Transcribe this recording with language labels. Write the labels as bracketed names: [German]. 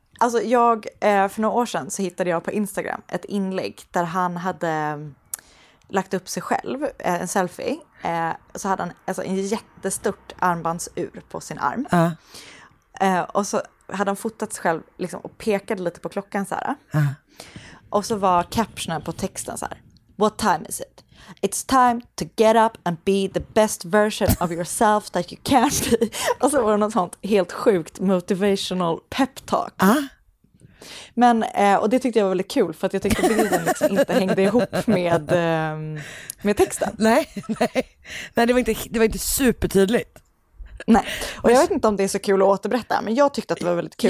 [Swedish] Alltså jag, för några år sedan så hittade jag på Instagram ett inlägg där han hade lagt upp sig själv, en selfie. Så hade han alltså en jättestort armbandsur på sin arm. Och så hade han fotat sig själv liksom och pekade lite på klockan så här. Och så var captionen på texten så här: [English] "What time is it? It's time to get up and be the best version of yourself that you can be." [Swedish] Och så var det något sånt helt sjukt [English] motivational pep talk. [Swedish] Men, och det tyckte jag var väldigt kul, för att jag tyckte bilden liksom inte hängde ihop med texten. Nej, det var inte supertydligt. Nej, och jag vet inte om det är så kul att återberätta, men jag tyckte att det var väldigt kul.